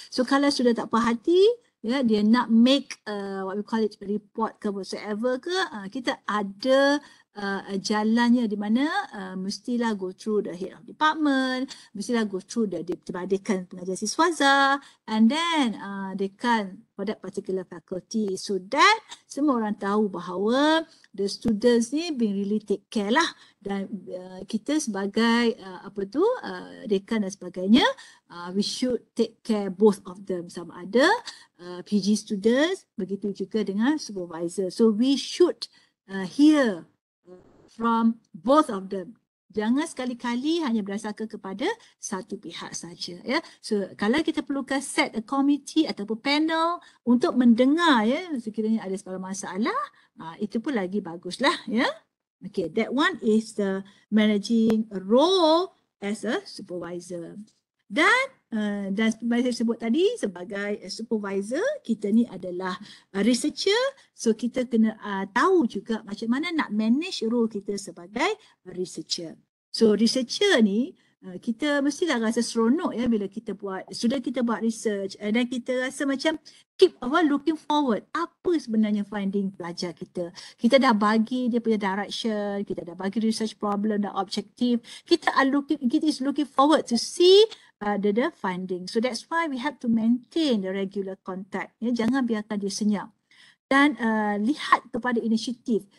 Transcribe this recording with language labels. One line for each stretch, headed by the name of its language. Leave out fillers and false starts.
Malay: So kalau sudah tak puas hati, ya, dia nak
English: make what we call it report
Malay: ke
English: whatsoever
Malay: ke, kita ada jalannya di mana mestilah
English: go through the head of department,
Malay: mestilah
English: go through the
Malay: dekan pengajar siswazah,
English: and then
Malay: dekan
English: for that particular faculty, so that
Malay: semua orang tahu bahawa
English: the students
Malay: ni
English: being really take care
Malay: lah. Dan kita sebagai dekan dan sebagainya,
English: we should take care both of them,
Malay: sama ada PG students, begitu juga dengan supervisor.
English: So we should hear from both of them.
Malay: Jangan sekali-kali hanya berdasarkan kepada satu pihak saja. Ya. So kalau kita perlukan
English: set a committee
Malay: ataupun panel untuk mendengar ya, sekiranya ada sebarang masalah, itu pun lagi baguslah. Ya.
English: Okay, that one is the managing role as a supervisor.
Malay: Dan dan seperti saya sebut tadi, sebagai supervisor kita ni adalah researcher, so kita kena tahu juga macam mana nak manage role kita sebagai researcher. So researcher ni kita mestilah rasa seronok ya bila kita buat, sudah kita buat research
English: and then
Malay: kita rasa macam
English: keep over looking forward
Malay: apa sebenarnya finding pelajar kita. Kita dah bagi dia punya direction, kita dah bagi research problem dan objective, kita
English: are looking,
Malay: kita
English: is looking forward to see the finding. So that's why we have to maintain the regular contact ya,
Malay: jangan biarkan dia senyap. Dan lihat kepada inisiatif.